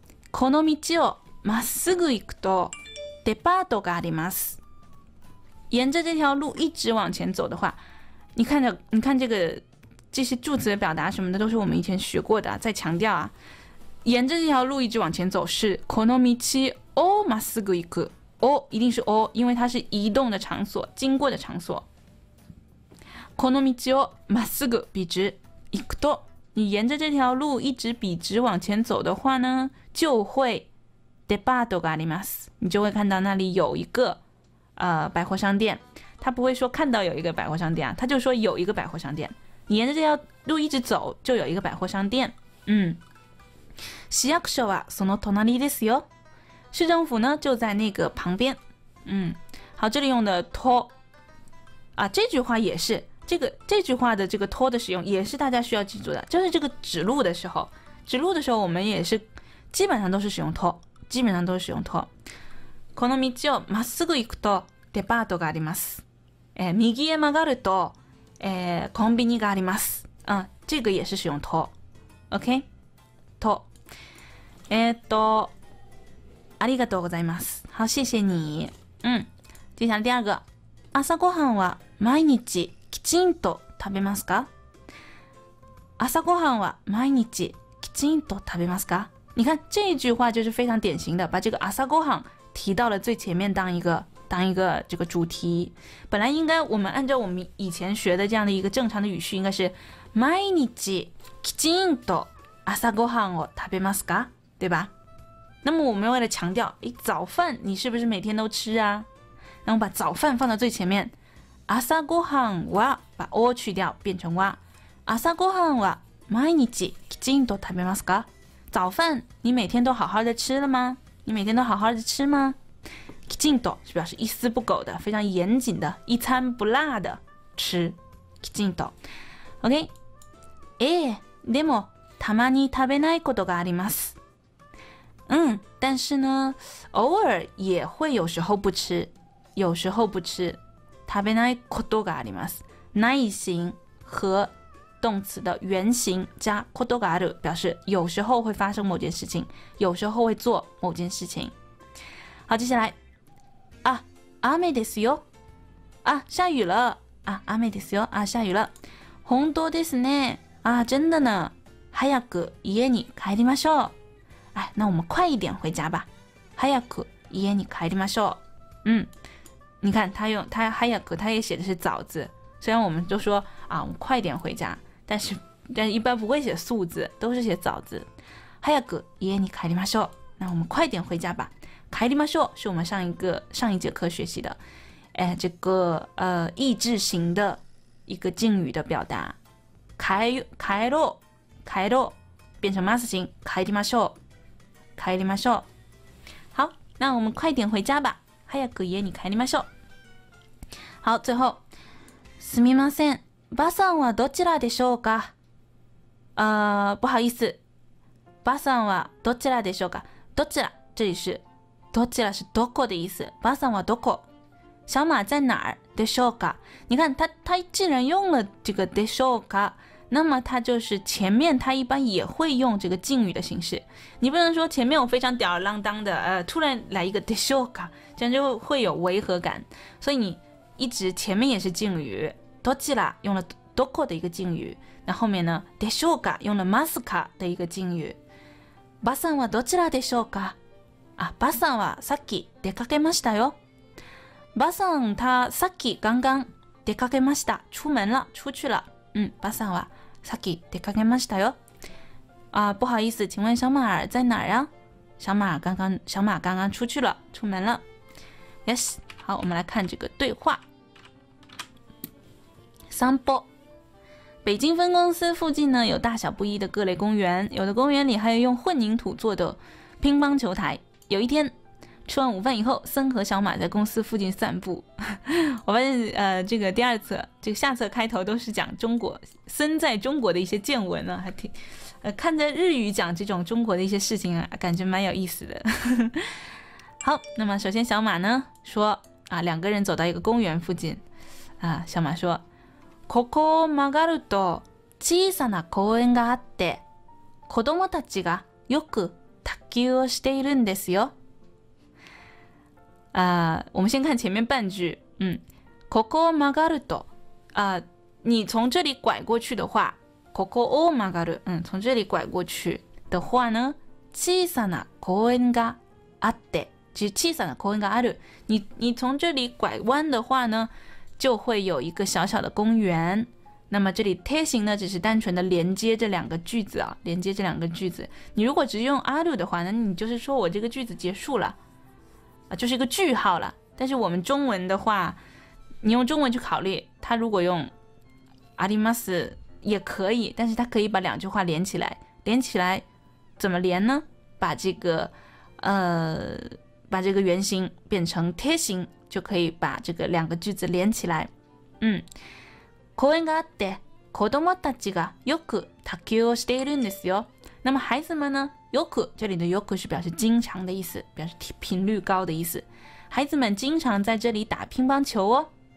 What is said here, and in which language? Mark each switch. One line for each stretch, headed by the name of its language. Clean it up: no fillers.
Japanese: この道をまっすぐ行くとデパートがあります。
Chinese: 沿着这条路一直往前走的话，你看这个。这些助词的表达什么的都是我们以前学过的，再强调啊，沿着这条路一直往前走是
Japanese: この道をまっすぐ行く，
Chinese: お一定是お，因为它是移动的场所，经过的场所。
Japanese: この道をまっすぐ
Chinese: 笔直行くと，你沿着这条路一直笔直往前走的话呢，就会
Japanese: デパートがあります，
Chinese: 你就会看到那里有一个百货商店。他不会说看到有一个百货商店啊，他就说有一个百货商店。你沿着这条路一直走，就有一个百货商店。
Japanese: 嗯，市役所はその隣ですよ。
Chinese: 市政府呢就在那个旁边。嗯，好，这里用的拖啊，这句话也是这句话的这个拖的使用也是大家需要记住的，就是这个指路的时候，我们也是基本上都是使用拖，基本上都是使用拖。
Japanese: この道をまっすぐ行くとデパートがあります。右へ曲がると。コンビニがあります。
Chinese: あ、这个也是使用と。OK? と。
Japanese: ありがとうございます。
Chinese: 好、谢谢你。うん。接下来第二个。
Japanese: 朝ごはんは毎日吉ちんと食べますか？朝ごはんは毎日きちんと食べますか？
Chinese: 你看这一句话就是非常典型的，把这个朝ごはん提到了最前面，当一个这个主题。本来应该我们按照我们以前学的这样的一个正常的语序，应该是
Japanese: 毎日きちんと朝ごはんを食べますか，
Chinese: 对吧？那么我们为了强调，哎，早饭你是不是每天都吃啊？那我把早饭放到最前面，朝ごはんは把を去掉变成は，
Japanese: 朝ごはんは毎日きちんと食べますか？
Chinese: 早饭你每天都好好的吃了吗？你每天都好好的吃吗？きちんと是表示一丝不苟的，非常严谨的，一餐不落的吃。
Japanese: きちんと。OK。ええ、でもたまに食べないことがあります。
Chinese: 嗯，但是呢，偶尔也会有时候不吃，有时候不吃。
Japanese: 食べないことがあります。
Chinese: ない形和动词的原形加
Japanese: ことがある，
Chinese: 表示有时候会发生某件事情，有时候会做某件事情。好，接下来，啊，
Japanese: 雨ですよ。
Chinese: 啊，下雨了。啊，雨ですよ。啊，下雨了。
Japanese: 本当ですね。
Chinese: 啊，真的呢。
Japanese: 早く家に帰りましょう。
Chinese: 哎，那我们快一点回家吧。
Japanese: 早く家に帰りましょう。
Chinese: 嗯，你看他用他早く，他也写的是早字。虽然我们就说啊，我们快一点回家，但是一般不会写速字，都是写早字。
Japanese: 早く家に帰りましょう。
Chinese: 那我们快点回家吧。
Japanese: 帰りましょう
Chinese: 是我们上一节课学习的，哎，这个意志型的一个敬语的表达。
Japanese: 帰ろう
Chinese: 变成ます型，
Japanese: 帰りましょう。帰りましょう。
Chinese: 好，那我们快点回家吧。早く家に帰りましょう。好，最后。
Japanese: すみません。ばさんはどちらでしょうか？
Chinese: 不好意思。
Japanese: ばさんはどちらでしょうか？
Chinese: どちら？这里是。どちら是どこ的意思。
Japanese: ばさんはどこ？
Chinese: 小马在哪儿？でしょうか？你看他既然用了这个でしょうか，那么他就是前面他一般也会用这个敬语的形式。你不能说前面我非常吊儿郎当的，突然来一个でしょうか，这样就会有违和感。所以你一直前面也是敬语，どちら用了どこ的一个敬语，那后面呢でしょうか用了ますか的一个敬语。
Japanese: ばさんはどちらでしょうか？啊，ばさんはさっき出かけましたよ。ばさん他さっき刚刚出かけました，
Chinese: 出门了，出去了。
Japanese: 嗯，ばさんはさっき出かけましたよ。
Chinese: 啊，不好意思，请问小马儿在哪儿啊？小马刚刚出去了，出门了。 Yes。 好，我们来看这个对话。
Japanese: 散歩。
Chinese: 北京分公司附近呢有大小不一的各类公园，有的公园里还有用混凝土做的乒乓球台。有一天吃完午饭以后，森和小马在公司附近散步。我发现这个第二册这个下册开头都是讲中国森在中国的一些见闻呢，还挺看在日语讲这种中国的一些事情啊，感觉蛮有意思的。好，那么首先小马呢说啊，两个人走到一个公园附近啊，小马说，
Japanese: ここを曲がると小さな公園があって、子供たちがよく卓球をしているんですよ。
Chinese: 啊，我们先看前面半句，嗯，
Japanese: ここを曲がると
Chinese: 啊，你从这里拐过去的话，
Japanese: ここを曲がる，
Chinese: 嗯，从这里拐过去的话呢，
Japanese: 小さな公園があって。
Chinese: 其实
Japanese: 小さな公園がある，
Chinese: 你从这里拐弯的话呢，就会有一个小小的公园。那么这里貼形呢，只是单纯的连接这两个句子啊，连接这两个句子。你如果只用ある的话，那你就是说我这个句子结束了，就是一个句号了。但是我们中文的话，你用中文去考虑，它如果用あります也可以，但是它可以把两句话连起来，连起来怎么连呢？把这个把这个原型变成贴形，就可以把这个两个句子连起来。嗯，
Japanese: 公園があって子供たちがよく卓球をしているんですよ。
Chinese: 那么孩子们呢？よく这里的よく是表示经常的意思，表示频率高的意思。孩子们经常在这里打乒乓球哦。